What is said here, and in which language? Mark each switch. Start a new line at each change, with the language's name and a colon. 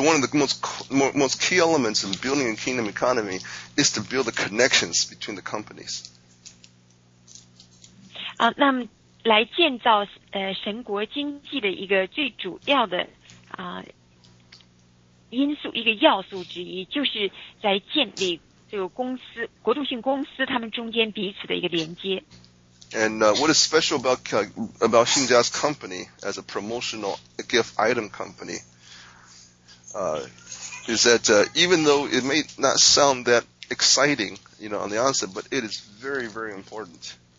English: one of the most key elements in building a kingdom economy is to build the connections between the companies.
Chinese: 来建造神国经济的一个最主要的因素，一个要素之一，就是在建立这个国度性公司他们中间彼此的一个连接。
English: And what is special about Xinjia's company as a promotional gift item company is that even though it may not sound that exciting, you know, on the onset, but it is very, very important.